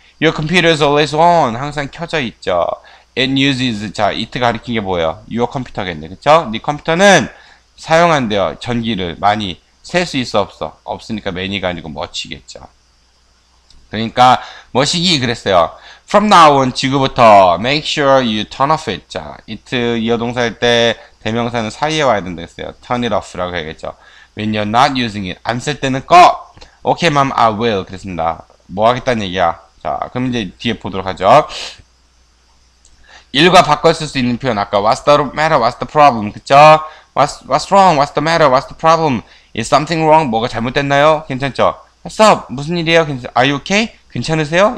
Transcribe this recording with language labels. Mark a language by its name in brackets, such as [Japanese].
[English] Your computer is always on. [Korean] 항상 켜져 있죠. [English] It uses. [Korean] 자, it 가리킨 게 뭐예요? Your computer겠네. 그쵸? 네 컴퓨터는 사용한대요. 전기를 많이. 셀수 있어, 없어? 없으니까 매니가 아니고 멋지겠죠. 그러니까 뭐시기 그랬어요. [English] From now on [Korean] 지금부터 [English] make sure you turn off it. [Korean] 자, it 이어동사일 때 대명사는 사이에 와야 된다 했어요. [English] Turn it off라고 해야겠죠. When you're not using it [Korean] 안쓸 때는 꺼. [English] Okay, mom, I will. [Korean] 그랬습니다. 뭐 하겠다는 얘기야? 자, 그럼 이제 뒤에 보도록 하죠. 일과 바꿔 쓸수 있는 표현 아까 [English] What's the matter? What's the problem? [Korean] 그쵸? [English] What's wrong? What's the matter? What's the problem? Is something wrong? [Korean] 뭐가 잘못됐나요? 괜찮죠? What's up? 무슨 일이에요? [English] Are you okay? [Korean] 괜찮으세요?